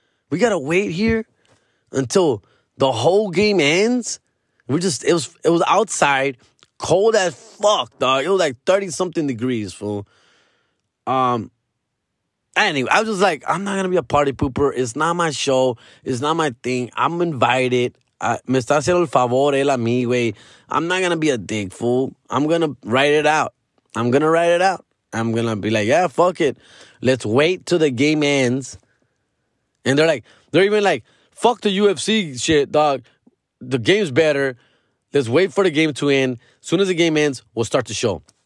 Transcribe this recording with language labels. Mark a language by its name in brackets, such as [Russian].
[English] We gotta wait here until the whole game ends? It was outside, cold as fuck, dog. It was like 30-something degrees, fool. Anyway, I was just like, I'm not gonna be a party pooper. It's not my show. It's not my thing. I'm invited. [Spanish] Me está haciendo el favor él a mí, güey. [English] I'm not gonna be a dick, fool. I'm going to write it out. I'm going to be like, yeah, fuck it. Let's wait till the game ends. And they're even like, fuck the UFC shit, dog. The game's better. Let's wait for the game to end. Soon as the game ends, we'll start the show.